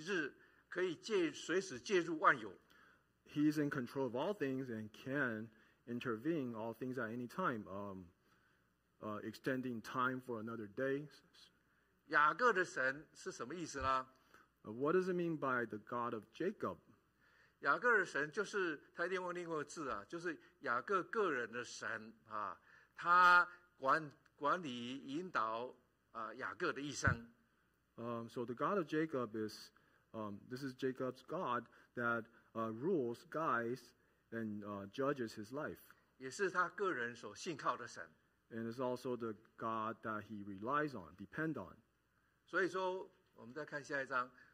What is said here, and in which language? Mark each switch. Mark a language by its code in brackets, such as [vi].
[zh] 就是神的能力啊，他可以随时降时灾，可以让时间延长一日，可以随时介入万有。 [en] He is in control of all things and can intervene all things at any time, extending time for another day. [zh] 雅各的神是什么意思呢？ [en] What does it mean by the God of Jacob? [zh] 雅各的神就是他另外一个字啊，就是雅各个人的神啊，他管理引导雅各的一生。 [en] So the God of Jacob is, this is Jacob's God that rules, guides, and judges his life. [zh] 也是他个人所信靠的神。 [en] And it's also the God that he relies on, depend on. [zh] 所以说，我们再看下一章。